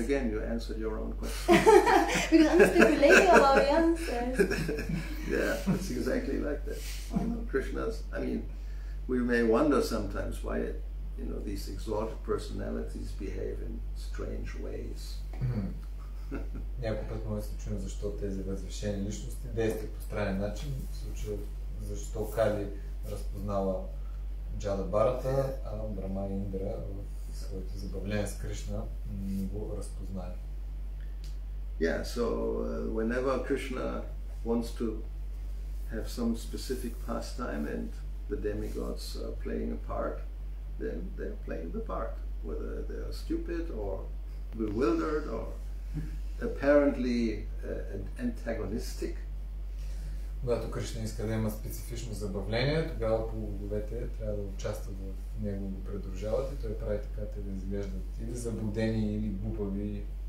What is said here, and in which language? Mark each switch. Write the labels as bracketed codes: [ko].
[en] Again, you answered your own question. Because I'm speculating about the answers. Yeah, it's exactly like that. Uh-huh. Krishna's, I mean, we may wonder sometimes why it, you know, these exalted personalities behave in strange ways. [bg] Някой път може да се чуем защо тези възвишени личности действат по странен начин. В случая защо Кали разпознава Джада Бхарата, а Брама и Индра в своето забавление с Кришна не го разпознали. [en] Yeah, so whenever Krishna wants to have some specific pastime and the demigods are playing a part, then they're playing the part, whether they are stupid or bewildered or apparently antagonistic. [bg] Когато Кришна иска да има специфично забавление, тогава полубоговете трябва да участват в него, го придружават и той прави така, те да изглеждат или заблудени, или глупави.